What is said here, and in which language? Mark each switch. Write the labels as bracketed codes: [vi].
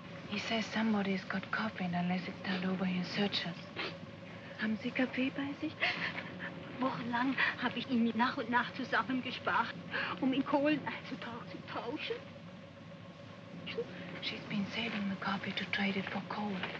[en] He says somebody's got coffee and unless it's turned over, he'll search us. [de] Haben Sie Kaffee bei sich? Wochenlang habe ich ihn nach und nach zusammengespart, um ihn Kohlen einzutauschen. [en] She's been saving the coffee to trade it for coal.